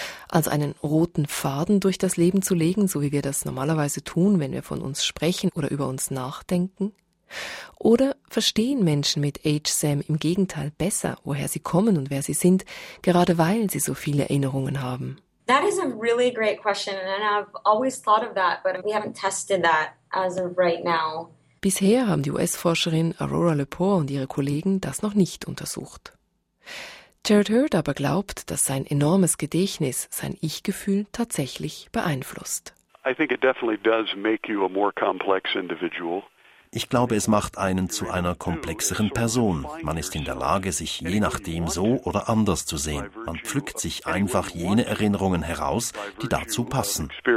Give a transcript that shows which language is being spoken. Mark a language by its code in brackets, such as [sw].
[de] Also einen roten Faden durch das Leben zu legen, so wie wir das normalerweise tun, wenn wir von uns sprechen oder über uns nachdenken? Oder verstehen Menschen mit HSAM im Gegenteil besser, woher sie kommen und wer sie sind, gerade weil sie so viele Erinnerungen haben? [en] That is a really great question, and I've always thought of that, but we haven't tested that as of right now. [de] Bisher haben die US-Forscherin Aurora Lepore und ihre Kollegen das noch nicht untersucht. Jared Hurd aber glaubt, dass sein enormes Gedächtnis sein Ich-Gefühl tatsächlich beeinflusst. [en] I think it definitely does make you a more complex individual. [de] Ich glaube, es macht einen zu einer komplexeren Person. Man ist in der Lage, sich je nachdem so oder anders zu sehen. Man pflückt sich einfach jene Erinnerungen heraus, die dazu passen.